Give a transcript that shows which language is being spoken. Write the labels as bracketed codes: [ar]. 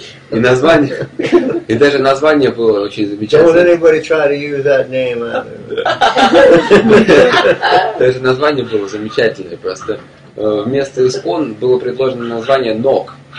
[ru] И даже название было очень замечательное. [en] Don't anybody try to use that name either. [ru] Даже название было замечательное. Просто вместо ISKCON было предложено название NOCK.